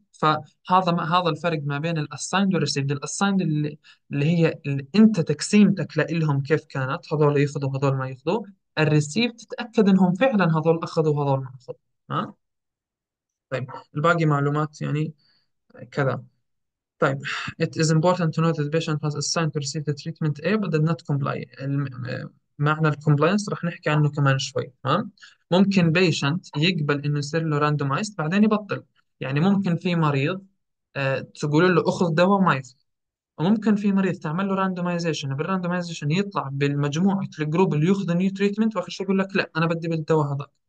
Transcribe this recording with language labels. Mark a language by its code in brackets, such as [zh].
[ar] فهذا ما هذا الفرق ما بين الاسايند والريسيفد. الاسايند اللي هي اللي انت تقسيمتك لهم كيف كانت، هذول ياخذوا هذول ما ياخذوا، الريسيفد تتاكد انهم فعلا هذول اخذوا هذول ما اخذوا، تمام. طيب الباقي معلومات يعني كذا. طيب [en] it is important to know that the patient has assigned to receive the treatment A but did not comply. [ar] معنى الكومبلاينس راح نحكي عنه كمان شوي، تمام. ممكن بيشنت يقبل انه يصير له راندومايزد بعدين يبطل، يعني ممكن في مريض تقول له اخذ دواء وما ياخذ، وممكن في مريض تعمل له راندومايزيشن، بالراندومايزيشن يطلع بالمجموعة الجروب اللي ياخذ نيو تريتمنت، واخر شيء يقول لك لا انا بدي بالدواء هذا.